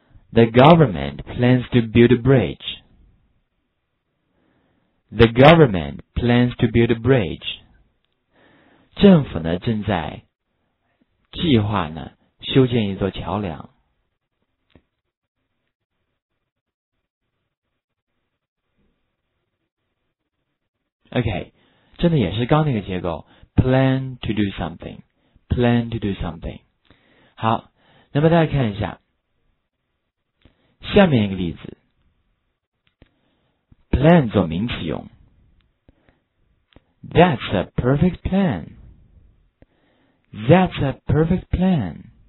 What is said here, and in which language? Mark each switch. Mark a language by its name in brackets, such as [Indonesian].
[English] The government plans to build a bridge. The government plans to build a bridge. [Chinese] 政府呢正在计划呢修建一座桥梁。 OK， 真的也是刚那个结构 ， [English] plan to do something， [Chinese] plan to do something。好，那么大家看一下下面一个例子 ，plan 做名词用 ， [English] That's a perfect plan。 That's a perfect plan。